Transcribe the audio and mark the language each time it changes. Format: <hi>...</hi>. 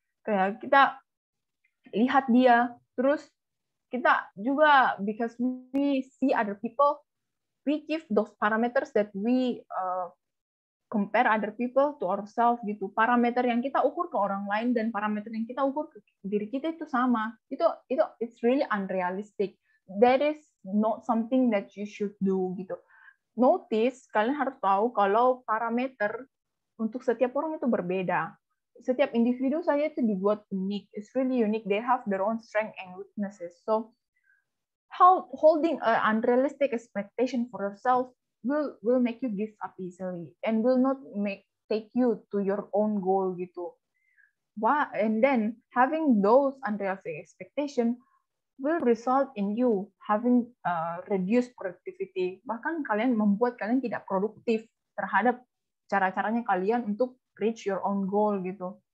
<id>Kayak kita lihat dia, terus kita juga</id> <en>because we see other people, we give those parameters that we compare other people to ourselves gitu.</en> <id>Parameter yang kita ukur ke orang lain dan parameter yang kita ukur ke diri kita itu sama.</id> <en>Itu it's really unrealistic. That is not something that you should do gitu.</en> <id>Notice, kalian harus tahu kalau parameter untuk setiap orang itu berbeda. Setiap individu saja itu dibuat unik.</id> <en>It's really unique. They have their own strength and weaknesses. So, how holding an unrealistic expectation for yourself will make you give up easily and will not take you to your own goal gitu. Why? And then having those unrealistic expectation will result in you having reduced productivity.</en> <id>Bahkan kalian membuat kalian tidak produktif terhadap cara-caranya kalian untuk</id> <en>reach your own goal</en> <id>gitu.</id>